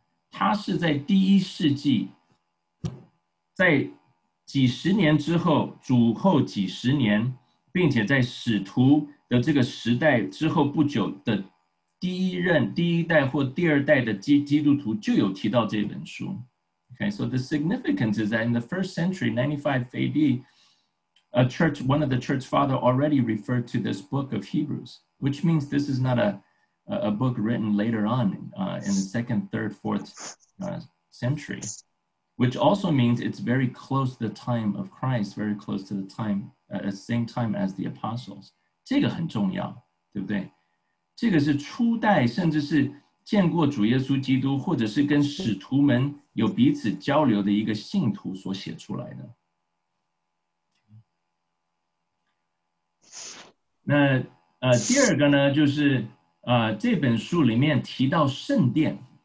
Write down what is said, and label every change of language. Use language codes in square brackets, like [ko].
[zh] 他是在第一世纪，在几十年之后，主后几十年，并且在使徒的这个时代之后不久的第一任第一代或第二代的基督徒就有提到这本书。 [en] Okay, so the significance is that in the first century, 95 AD, one of the church fathers already referred to this book of Hebrews, which means this is not a book written later on in the second, third, fourth century, which also means it's very close to the time of Christ, very close to the time, same time as the apostles. [zh] 这个很重要，对不对？这个是初代，甚至是见过主耶稣基督，或者是跟使徒们有彼此交流的一个信徒所写出来的。那第二个呢，就是这本书里面提到圣殿。